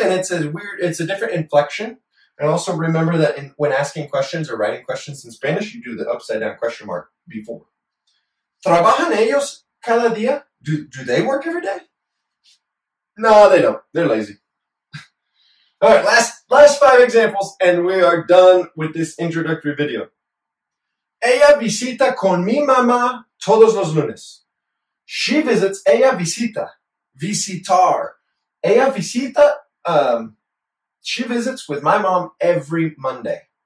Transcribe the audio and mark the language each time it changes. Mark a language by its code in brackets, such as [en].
[en] And it's a weird, it's a different inflection. And also remember that when asking questions or writing questions in Spanish, you do the upside down question mark before. [es] ¿Trabajan ellos cada día? [en] Do they work every day? No, they don't. They're lazy. All right, last five examples, and we are done with this introductory video. [es] Ella visita con mi mamá todos los lunes. [en] She visits, [es] ella visita, visitar. Ella visita, [en] she visits with my mom every Monday.